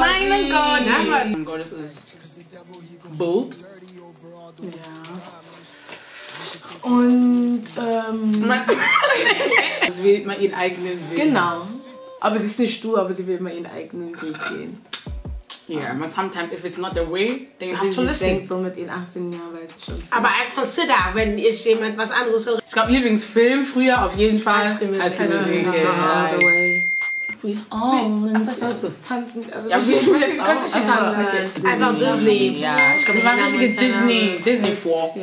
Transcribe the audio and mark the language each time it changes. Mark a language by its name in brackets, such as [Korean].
[German] Meine Gottes. Gottes ist bold. Ja. Und man das wählt man ihren eigenen Weg. Genau. Aber sie ist nicht stur, aber sie will immer ihren eigenen Weg gehen. [English] Yeah, but sometimes if it's not the way, then you have to listen. [German] Sie denkt so mit ihren 18 Jahren, weiß ich schon. Aber [English] I consider, [German] wenn ich jemand was anderes höre. Ich glaube, Lieblingsfilm früher auf jeden Fall. Als Kinder. Als Kinder. [English] All the way. We all. [German] sagst du? Tanzen. Also ja, ich will jetzt auch. Einfach Disney. Ja, ich glaube, wir machen richtige Disney. Disney 4.